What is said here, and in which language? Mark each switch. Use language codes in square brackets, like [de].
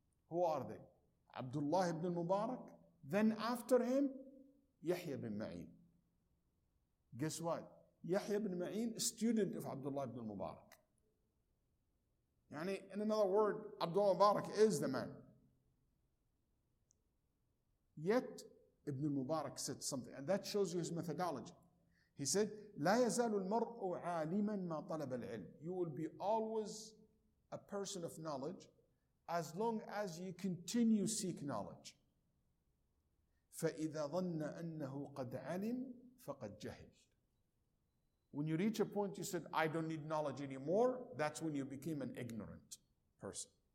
[en] Who are they? Abdullah ibn Mubarak. Then after him, Yahya ibn Ma'in. Guess what? Yahya ibn Ma'in, student of Abdullah ibn Mubarak. Yani, in another word, Abdullah Mubarak is the man. Yet, Ibn Mubarak said something, and that shows you his methodology. He said, [ar] لَا يَزَالُ الْمَرْءُ عَالِمًا مَا طَلَبَ الْعِلْمِ. [en] You will be always a person of knowledge as long as you continue seek knowledge. [ar] فَإِذَا ظَنَّ أَنَّهُ قَدْ عَلِمْ فَقَدْ جَهِلْ. [en] When you reach a point you said, I don't need knowledge anymore, that's when you became an ignorant person.